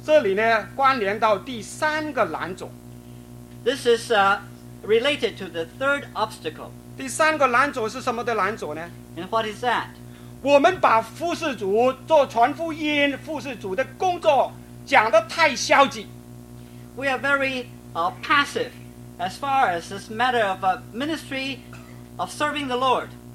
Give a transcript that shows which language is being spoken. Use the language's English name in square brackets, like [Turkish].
[Chinese] 这里呢, 关联到第三个拦阻。 [English] This is related to the third obstacle. [Chinese] 第三个拦阻是什么的拦阻呢? [English] And what is that? [Chinese] 我们把服事主做传福音、服事主的工作讲得太消极。 [English] We are very passive as far as this matter of a ministry of serving the Lord.